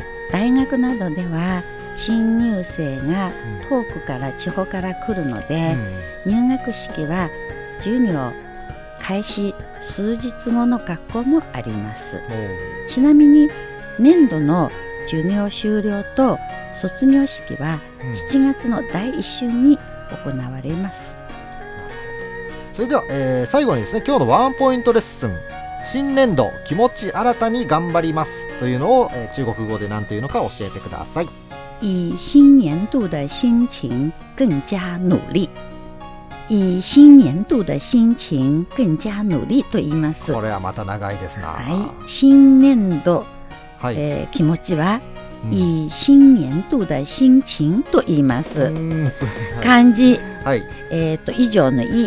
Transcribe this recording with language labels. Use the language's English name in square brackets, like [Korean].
[Japanese] 大学などでは新入生が遠くから地方から来るので、入学式は授業開始数日後の学校もあります、ちなみに年度の授業終了と卒業式は7月の第一週に行われます、それでは、最後にですね、今日のワンポイントレッスン、新年度気持ち新たに頑張りますというのを、中国語で何というのか教えてください。 [Chinese] 以新年度的心情更加努力。以新年度的心情更加努力 [Japanese] と言います。これはまた長いですな、新年度、気持ちは [Chinese] 以新年度的心情 [Japanese] と言います。漢字、以上の意、